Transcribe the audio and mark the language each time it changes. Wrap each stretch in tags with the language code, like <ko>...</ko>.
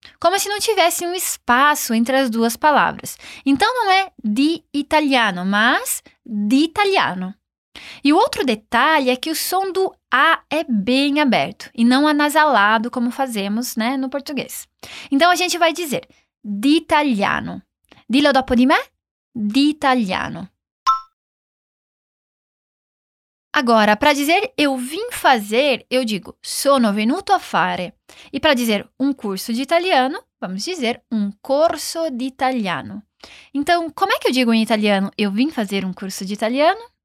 <pt>como se não tivesse um espaço entre as duas palavras. Então, não é di italiano, mas di italiano. E o outro detalhe é que o som do A é bem aberto e não anasalado, como fazemos, né, no português. Então, a gente vai dizer di italiano.</pt> <it>Dilo dopo di me, di italiano.</it> <pt>Agora, para dizer eu vim fazer, eu digo</pt> <it>sono venuto a fare.</it> <pt>E para dizer um curso de italiano, vamos dizer um</pt> <it>corso di italiano.</it> <pt>Então, como é que eu digo em italiano eu vim fazer um curso de italiano?</pt>